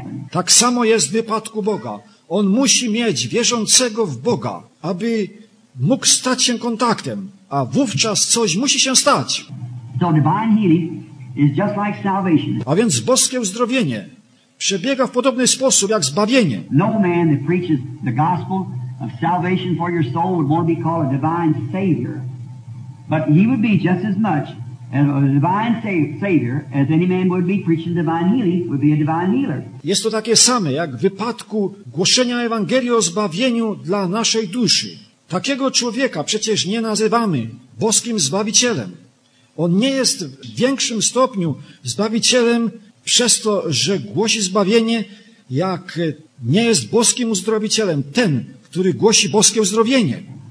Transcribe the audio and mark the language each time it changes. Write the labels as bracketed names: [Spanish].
[Polish] Tak samo jest w wypadku Boga. On musi mieć wierzącego w Boga, aby mógł stać się kontaktem, a wówczas coś musi się stać. [English] So divine healing is just like salvation. [Polish] A więc boskie uzdrowienie przebiega w podobny sposób jak zbawienie. [English] No man that preaches the gospel of salvation for your soul would want to be called a divine savior, but he would be just as much a divine savior as any man would be preaching divine healing would be a divine healer. [Polish] Jest to takie same jak w wypadku głoszenia Ewangelii o zbawieniu dla naszej duszy. Takiego człowieka przecież nie nazywamy boskim zbawicielem. On nie jest w większym stopniu zbawicielem przez to, że głosi zbawienie, jak nie jest boskim uzdrowicielem ten, który głosi boskie uzdrowienie.